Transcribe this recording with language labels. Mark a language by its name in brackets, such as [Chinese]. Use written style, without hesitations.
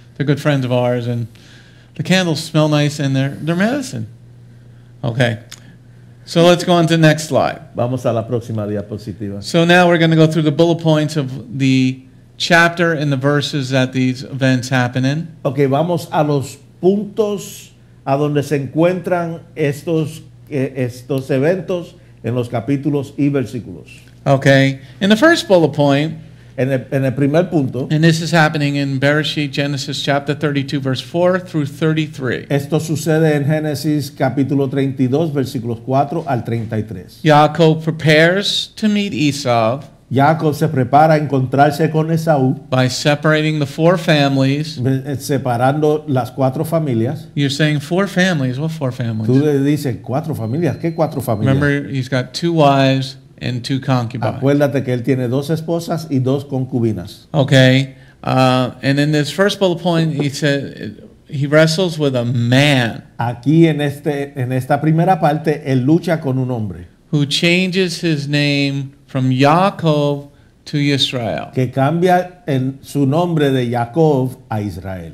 [English] They're good friends of ours, and the candles smell nice, and they're medicine. Okay. So let's go on to the next slide. [Spanish] Vamos a la próxima diapositiva. [English] So now we're going to go through the bullet points of the chapter and the verses that these events happen in. [Spanish] Okay, vamos a los puntos a donde se encuentran estos eventos en los capítulos y versículos. [English] Okay. In the first bullet point, [Spanish] En el primer punto, [English] and this is happening in Bereshit, Genesis chapter 32, verse 4 through 33. [Spanish] Esto sucede en Génesis capítulo 32, versículos 4 al 33. [English] Jacob prepares to meet Esau. [Spanish] Jacob se prepara a encontrarse con Esau. [English] By separating the four families. [Spanish] Separando las cuatro familias. [English] You're saying four families. What four families? [Spanish] Tú le dices cuatro familias. ¿Qué cuatro familias? [English] Remember, he's got two wives and two concubines. [Spanish] Acuérdate que él tiene dos esposas y dos concubinas. [English] Okay. And in this first bullet point, he said he wrestles with a man. [Spanish] Aquí en esta primera parte, él lucha con un hombre. [English] Who changes his name from Jacob to Israel. [Spanish] Que cambia en su nombre de Jacob a Israel.